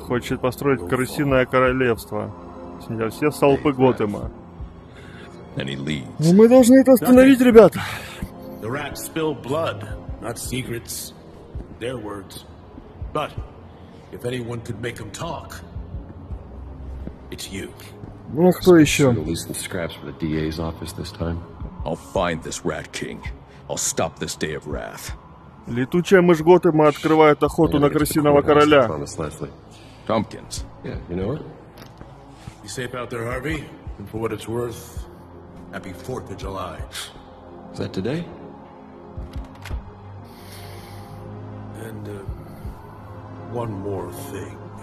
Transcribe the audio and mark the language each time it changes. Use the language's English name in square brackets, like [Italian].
[Russian] Хочет построить крысиное королевство. Все столпы Готэма. Мы должны это остановить, ребята. [English] The rats spill blood, not secrets. Their words. But if anyone could make them talk, it's you. [Russian] Ну а кто еще? [English] Scraps for the DA's office this time. I'll find this rat king. I'll stop this day of wrath. [Russian] Летучая мышь Готэма открывает охоту на крысиного короля. Томпкинс. [English] Yeah, you know what? Be safe out there, Harvey. And for what it's worth, happy 4th of July. Is that today? And one more thing.